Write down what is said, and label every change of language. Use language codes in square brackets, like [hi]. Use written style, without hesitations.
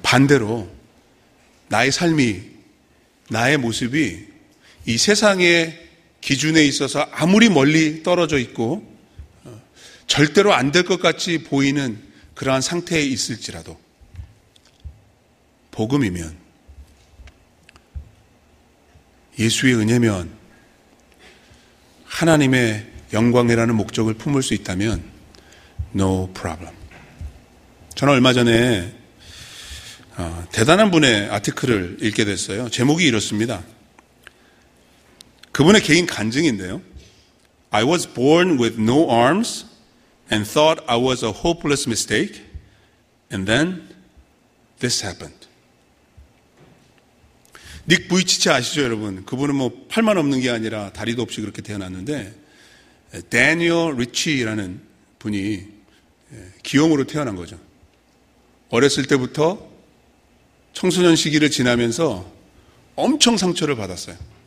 [ko] 반대로 나의 삶이, 나의 모습이 이 세상의 기준에 있어서 아무리 멀리 떨어져 있고 절대로 안 될 것 같이 보이는 그러한 상태에 있을지라도 복음이면, 예수의 은혜면, 하나님의 영광이라는 목적을 품을 수 있다면 [en] No problem. [ko] 저는 얼마 전에 대단한 분의 아티클을 읽게 됐어요. 제목이 이렇습니다. 그분의 개인 간증인데요. [en] I was born with no arms and thought I was a hopeless mistake. And then this happened. [ko] 닉 부이치치 아시죠, 여러분? 그분은 뭐 팔만 없는 게 아니라 다리도 없이 그렇게 태어났는데 Daniel Ritchie라는 분이 기형으로 태어난 거죠. 어렸을 때부터 청소년 시기를 지나면서 엄청 상처를 받았어요.